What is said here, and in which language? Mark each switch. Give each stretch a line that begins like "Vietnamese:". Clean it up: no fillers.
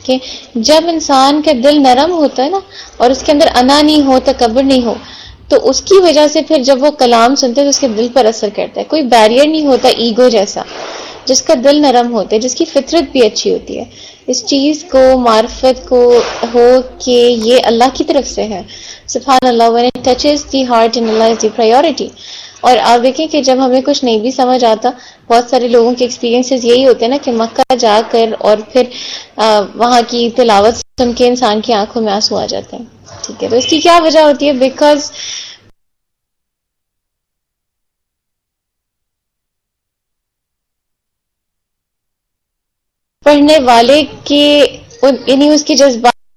Urdu: کہ جب انسان کا دل نرم ہوتا ہے نا، اور اس کے اندر انا نہیں ہو، تکبر نہیں ہو، تو اس کی وجہ سے پھر جب وہ کلام سنتے تو اس کے دل پر اثر کرتا ہے. کوئی بیریئر نہیں ہوتا ایگو جیسا. جس کا دل نرم ہوتا ہے، جس کی فطرت بھی اچھی ہوتی ہے، اس چیز کو، معرفت کو ہو کہ یہ اللہ کی طرف سے ہے. سبحان اللہ.
English: when it touches the heart and Allah is the priority.
Urdu: اور آپ دیکھیں کہ جب ہمیں کچھ نہیں بھی سمجھ آتا، بہت سارے لوگوں کے ایکسپیرینسز یہی ہوتے ہیں نا کہ مکہ جا کر اور پھر وہاں کی تلاوت سن کے انسان کی آنکھوں میں آنسو آ جاتے ہیں. ٹھیک ہے، تو اس کی کیا وجہ ہوتی ہے؟ بیکاز پڑھنے والے کے، یعنی اس کے جذبات.